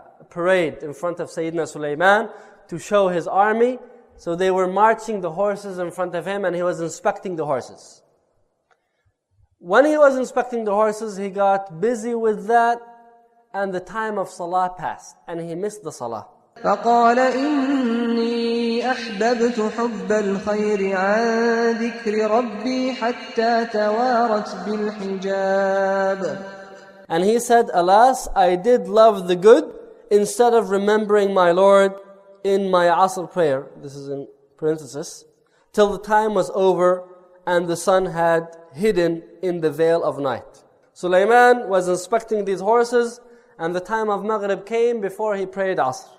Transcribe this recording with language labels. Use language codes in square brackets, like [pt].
[en] parade in front of Sayyidina Sulaiman to show his army. So they were marching the horses in front of him and he was inspecting the horses. When he was inspecting the horses, he got busy with that and the time of Salah passed and he missed the Salah. [ar] فقال إني أحببت حب الخير عن ذكر ربي حتى توارت بالحجاب. [en] And he said, alas, I did love the good instead of remembering my Lord in my Asr prayer. This is in parenthesis. Till the time was over and the sun had hidden in the veil of night. Sulaiman was inspecting these horses and the time of Maghrib came before he prayed Asr.